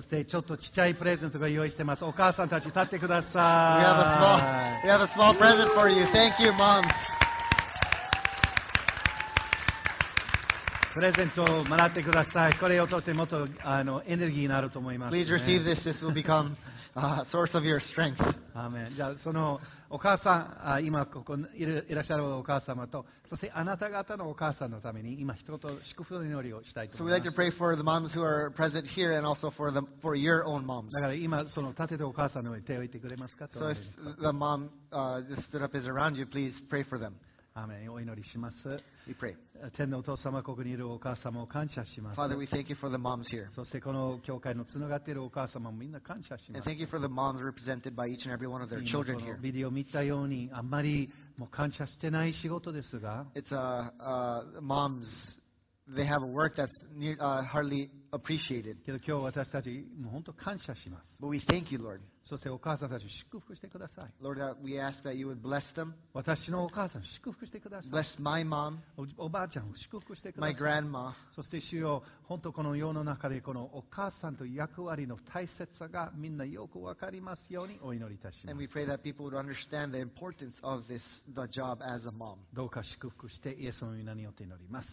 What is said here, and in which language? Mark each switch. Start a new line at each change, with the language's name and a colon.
Japanese: そしてちょっとちっちゃいプレゼントが用意してます。お母さんたち立ってください
English: 。 We have a small present for you. Thank you, moms.
Japanese: プレゼントをもらってください。これを通してもっとエネルギーになると思います、ね。
English: Please receive this. This will become a source of your strength.
Japanese: アーメン。じゃあそのお母さん、今ここにいらっしゃるお母様と、そしてあなた方のお母さんのために今一言祝福の祈りをしたいと思います。
English: So we'd like to pray for the moms who are present here and also for your own moms.
Japanese: だから今その立ててお母さんの上に手を置いてくれますかと。
English: So if the mom just stood up is around you, please pray for them.
Japanese: アーメン。お祈りします。
English: We pray.
Japanese: 天のお父様、ここにいるお母様を感謝します。
English: Father, we thank you for the moms here.
Japanese: そしてこの教会のつながっているお母様もみんな感謝します。
English: And thank you for the moms represented by each and every one of their children here.
Japanese: ビデオ見たようにあんまりもう感謝してない仕事ですが。
English: It's a moms. They have a work that's near, hardly appreciated.
Japanese: けど今日私たちもう本当感謝します。
English: But we thank you, Lord.
Japanese: そしてお母さんたち祝福してください。
English: Lord, we ask that you would bless them.
Japanese: 私のお母さん祝福してください。
English: Bless my mom.
Japanese: おばあちゃんを祝福してください。
English: My grandma.
Japanese: そして主よ、本当この世の中でこのお母さんと役割の大切さがみんなよくわかりますようにお祈りいたします。
English: And we pray that people would understand the importance of this, the job as a mom.
Japanese: どうか祝福してイエスの名によって祈ります。